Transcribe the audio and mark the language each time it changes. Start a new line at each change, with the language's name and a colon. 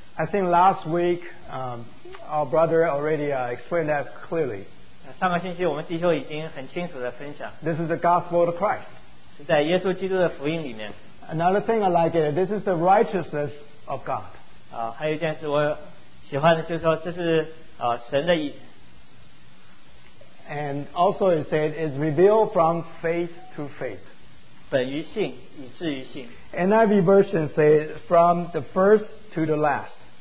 English: I think last week our brother already explained that clearly.
Chinese: 上个星期我们弟兄已经很清楚地分享。
English: This is the gospel of Christ.
Chinese: 是在耶稣基督的福音里面。
English: Another thing I like it, this is the righteousness of God.
Chinese: 还有一件事我喜欢的就是说这是神的义。
English: And also it said it's revealed from faith to faith.
Chinese: 本于信以至于信。NIV
English: version says from the first to the last.